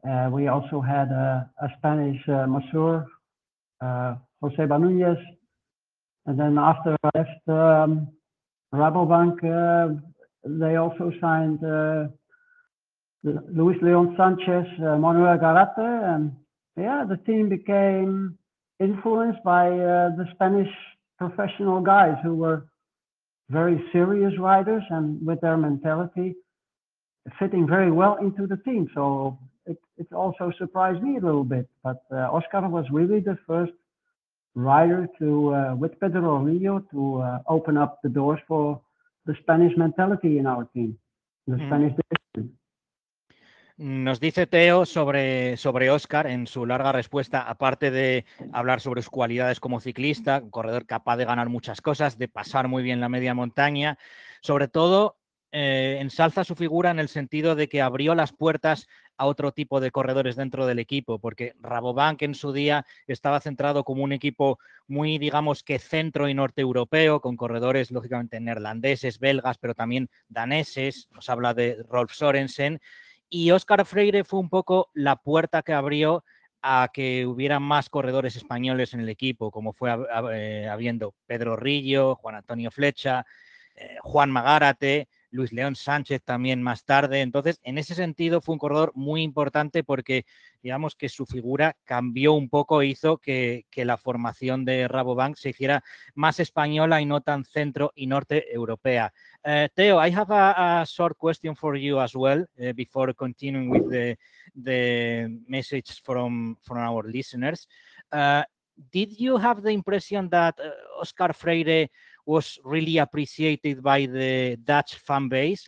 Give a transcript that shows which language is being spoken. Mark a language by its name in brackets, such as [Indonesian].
[English] We also had a Spanish masseur, Jose Banuñez, and then after I left Rabobank, they also signed Luis Leon Sanchez, Manuel Garate, and the team became influenced by the Spanish professional guys who were very serious riders and with their mentality fitting very well into the team. So it also surprised me a little bit, but Oscar was really the first rider to with Pedro Rio to open up the doors for the Spanish mentality in our team, the Spanish discipline. [Spanish] Nos dice Teo sobre Oscar en su larga respuesta, aparte de hablar sobre sus cualidades como ciclista, un corredor capaz de ganar muchas cosas, de pasar muy bien la media montaña, sobre todo ensalza su figura en el sentido de que abrió las puertas a otro tipo de corredores dentro del equipo, porque Rabobank en su día estaba centrado como un equipo muy, digamos, que centro y norte europeo, con corredores lógicamente neerlandeses, belgas, pero también daneses. Nos habla de Rolf Sørensen, y Óscar Freire fue un poco la puerta que abrió a que hubiera más corredores españoles en el equipo, como fue habiendo Pedro Rillo, Juan Antonio Flecha, Juan Magárate, Luis León Sánchez también más tarde. Entonces, en ese sentido, fue un corredor muy importante porque, digamos, que su figura cambió un poco e hizo que la formación de Rabobank se hiciera más española y no tan centro y norte europea. [English] Theo, I have a short question for you as well, before continuing with the message from our listeners. Did you have the impression that Óscar Freire was really appreciated by the Dutch fan base?